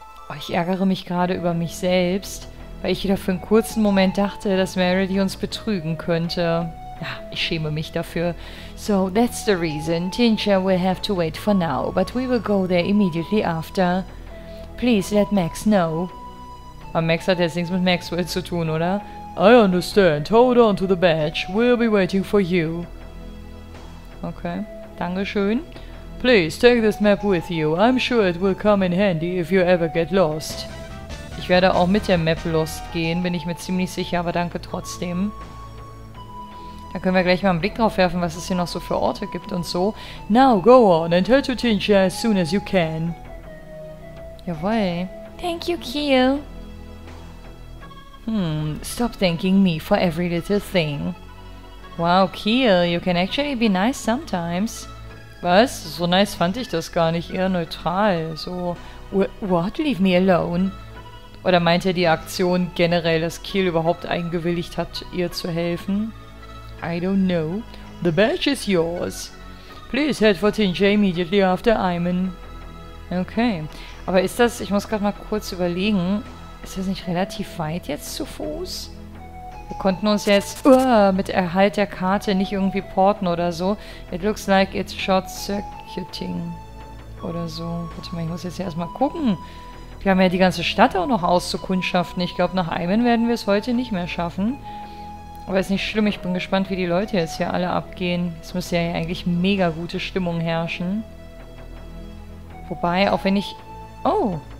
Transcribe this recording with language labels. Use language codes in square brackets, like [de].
[de] Oh, ich ärgere mich gerade über mich selbst, weil ich wieder für einen kurzen Moment dachte, dass Merity uns betrügen könnte. Ja, ich schäme mich dafür. [en] So, that's the reason. Tinsha will have to wait for now, but we will go there immediately after. Please let Max know. [de] Aber Max hat jetzt nichts mit Maxwell zu tun, oder? [en] I understand. Hold on to the badge. We'll be waiting for you. [de] Okay, dankeschön. [en] Please, take this map with you. I'm sure it will come in handy if you ever get lost. [de] Ich werde auch mit der Map lost gehen, bin ich mir ziemlich sicher, aber danke trotzdem. Da können wir gleich mal einen Blick drauf werfen, was es hier noch so für Orte gibt und so. [en] Now go on and head to Tinsha as soon as you can. [de] Jawohl. [en] Thank you, Kiel. Stop thanking me for every little thing. Wow, Kiel, you can actually be nice sometimes. [de] Was? So nice fand ich das gar nicht. Eher neutral. So, [en] what? Leave me alone. [de] Oder meint er die Aktion generell, dass Kiel überhaupt eingewilligt hat, ihr zu helfen? [en] I don't know. The badge is yours. Please head for Tinsha immediately after Aemon. [de] Okay. Aber ist das... Ich muss gerade mal kurz überlegen. Ist das nicht relativ weit jetzt zu Fuß? Wir konnten uns jetzt mit Erhalt der Karte nicht irgendwie porten oder so. [en] It looks like it's short-circuiting [de] oder so. Warte mal, ich muss jetzt erstmal gucken. Wir haben ja die ganze Stadt auch noch auszukundschaften. Ich glaube, nach Aemon werden wir es heute nicht mehr schaffen. Aber ist nicht schlimm. Ich bin gespannt, wie die Leute jetzt hier alle abgehen. Es müsste ja eigentlich mega gute Stimmung herrschen. Wobei, auch wenn ich... Oh!